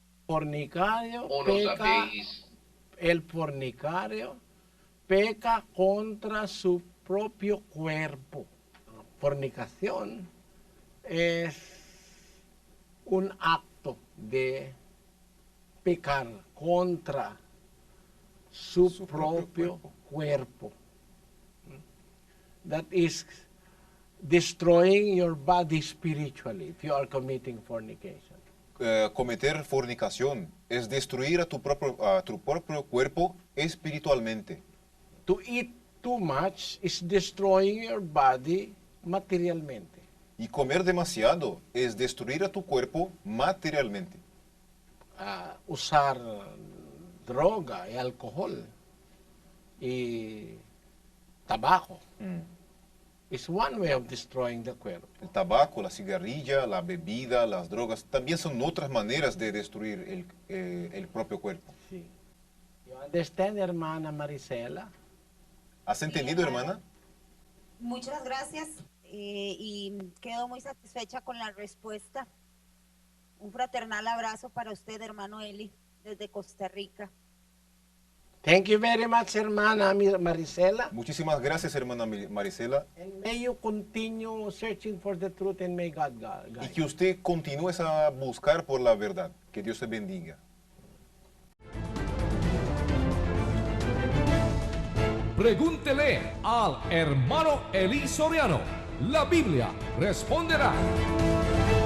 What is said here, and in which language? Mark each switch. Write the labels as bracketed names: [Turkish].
[Spanish] Fornicación es un acto de pecar contra su propio cuerpo. [English] That is destroying your body spiritually if you are committing fornication. [Spanish] Cometer fornicación es destruir a tu propio cuerpo espiritualmente. [English] To eat too much is destroying your body [Spanish] materialmente. Y comer demasiado es destruir a tu cuerpo materialmente. Usar droga y alcohol y tabaco. [English] It's one way of destroying the cuerpo. [Spanish] El tabaco, la cigarrilla, la bebida, las drogas, también son otras maneras de destruir el propio cuerpo. Sí. [English] You understand, hermana Marisela? [Spanish] ¿Has entendido, sí, hermana? Muchas gracias. Y quedo muy satisfecha con la respuesta. Un fraternal abrazo para usted, hermano Eli, desde Costa Rica. [English] Thank you very much, hermana Marisela. [Spanish] Muchísimas gracias, hermana Marisela. [English] And may you continue searching for the truth and may God guide you. [Spanish] Y que usted continúe a buscar por la verdad. Que Dios te bendiga. Pregúntele al hermano Eli Soriano. La Biblia responderá.